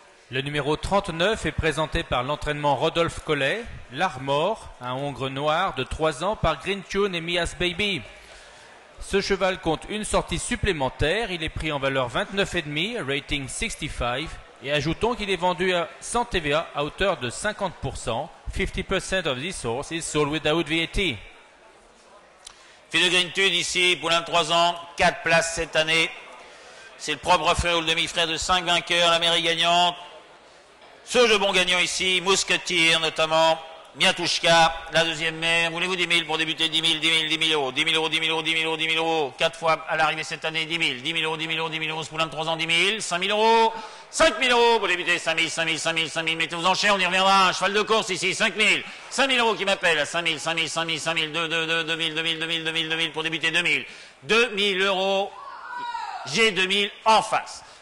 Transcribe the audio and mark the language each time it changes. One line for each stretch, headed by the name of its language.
French: Le numéro 39 est présenté par l'entraînement Rodolphe Collet, l'Armor, un hongre noir de 3 ans par Greentune et Mia's Baby. Ce cheval compte une sortie supplémentaire. Il est pris en valeur 29,5, rating 65. Et ajoutons qu'il est vendu sans TVA à hauteur de 50%.
English: 50% of this horse is sold without VAT.
French: Fille de Greentune ici, poulain de 3 ans, 4 places cette année. C'est le propre frère ou le demi-frère de 5 vainqueurs, la mairie gagnante. Ce jeu bon gagnant ici, Mousquetier notamment, Miatouchka, la deuxième mère. Voulez-vous 10 000 pour débuter? 10 000, 10 000, 10 000 euros, 10 000 euros, 10 000 euros, 10 000 euros, 10 000 euros. 4 fois à l'arrivée cette année, 10 000, 10 000 euros, 10 000 euros, 10 000 euros, ce poulain de 3 ans, 10 000, 5 000 euros, 5 000 euros pour débuter, 5 000, 5 000, 5 000, 5 000, mettez-vous en chair, on y reviendra, un cheval de course ici, 5 000, 5 000 euros qui m'appelle, 5 000, 5 000, 5 000, 5 000, 2 000, 2 000, 2 000, 2 000, 2 000, 2 000, 2 000 pour débuter, 2 000, 2 000 euros, j'ai 2 000 en face.